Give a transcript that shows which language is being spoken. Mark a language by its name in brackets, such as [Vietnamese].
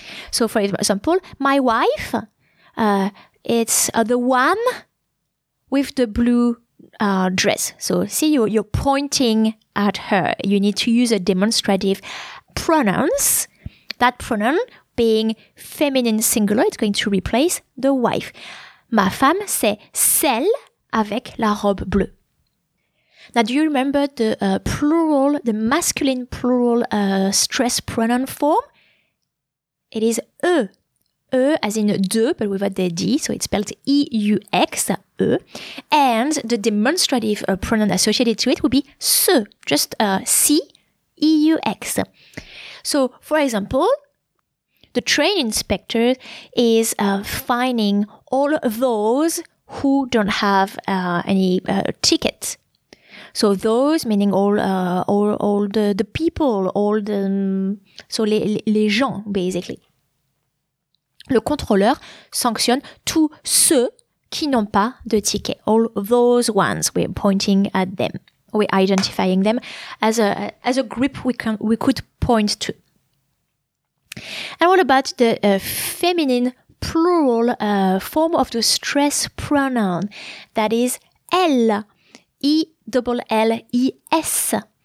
[English] So for example, my wife, it's the one with the blue dress. So see, you're pointing at her. You need to use a demonstrative pronoun. That pronoun being feminine singular, it's going to replace the wife. [French] Ma femme, c'est celle avec la robe bleue. [English] Now, do you remember the plural, the masculine plural stress pronoun form? It is e. E as in de, but without the D, so it's spelled E-U-X, e. And the demonstrative pronoun associated to it would be ce, just C-E-U-X. So, for example, the train inspector is fining all those who don't have any tickets. So those meaning all the people, all the so [French] les gens [English] basically. [French] Le contrôleur sanctionne tous ceux qui n'ont pas de ticket. [English] All those ones, we're pointing at them. We're identifying them as a group we could point to. And what about the feminine plural form of the stress pronoun? That is elle. E-L-L-E-S.